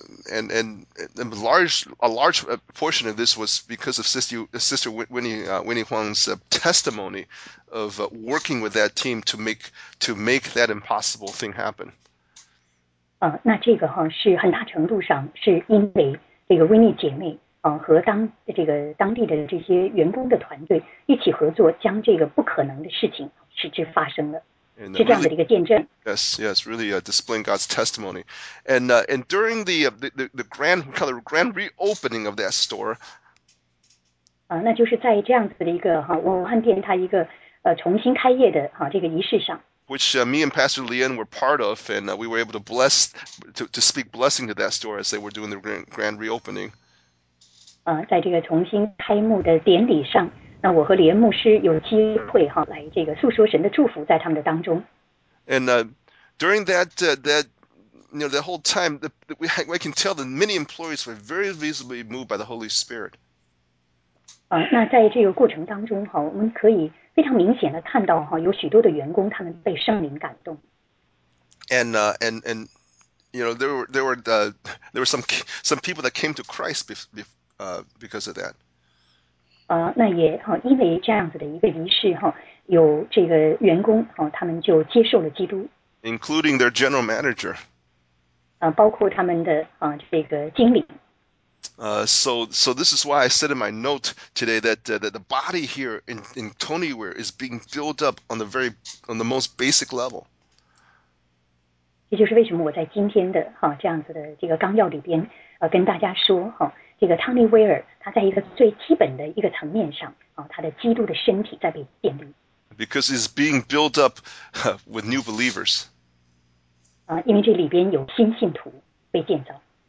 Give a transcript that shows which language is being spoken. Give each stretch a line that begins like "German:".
English: And a large portion of this was because of Sister Winnie Huang's testimony of working with that team to make that impossible thing happen.
Chinese: 那这个哈是很大程度上是因为这个维尼姐妹和当地的这些员工的团队一起合作，将这个不可能的事情使之发生了，是这样的一个见证。
English: Yes, really displaying God's testimony, and during the grand reopening of that store.
Chinese: 那就是在这样子的一个哈武汉店它一个重新开业的哈这个仪式上。
English: Which me and Pastor Lian were part of, and we were able to bless, to speak blessing to that store as they were doing their grand reopening.
Chinese: 在这个重新开幕的典礼上，那我和李恩牧师有机会哈来这个诉说神的祝福在他们的当中。
English: And during that whole time, we can tell that many employees were very visibly moved by the Holy Spirit.
Chinese: 那在这个过程当中哈，我们可以。非常明显的看到哈，有许多的员工他们被圣灵感动。
English: And you know there were some people that came to Christ because of that.
Chinese: 那也好，因为这样子的一个仪式哈，有这个员工啊，他们就接受了基督。
English: Including their general manager.
Chinese: 包括他们的这个经理。
English: So this is why I said in my note today that that the body here in Tonyware is being built up on the very on the most basic level.
Chinese: 也就是为什么我在今天的哈这样子的这个纲要里边跟大家说哈。这个 Tony Ware 他在一个最基本的一个层面上他的基督的身体在被建立。
English: Because he's being built up with new believers.
Chinese: 因为这里边有新信徒被建造。